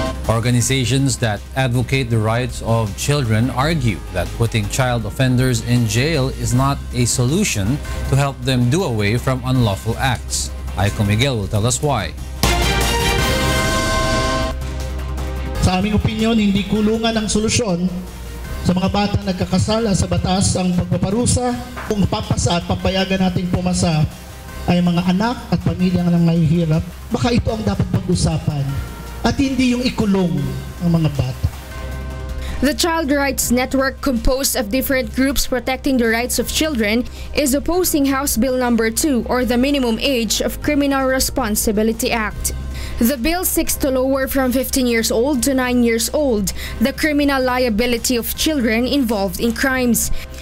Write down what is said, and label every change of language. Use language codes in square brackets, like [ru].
[en] Organizations that advocate the rights of children argue that putting child offenders in jail is not a solution to help them do away from unlawful acts. Aiko Miguel will tell us why. [tl] Sa aming opinion, hindi kulungan ang solusyon sa mga bata nagkakasala sa batas ang pagpaparusa. Kung papasa at papayagan nating pumasa ay mga anak at pamilya na nanghihirap, baka ito ang dapat pag-usapan. At hindi yung ikulong ang mga bata. [en] The Child Rights Network, composed of different groups protecting the rights of children, is opposing House Bill No. 2 or the Minimum Age of Criminal Responsibility Act. The bill seeks to lower from 15 years old to 9 years old the criminal liability of children involved in crimes.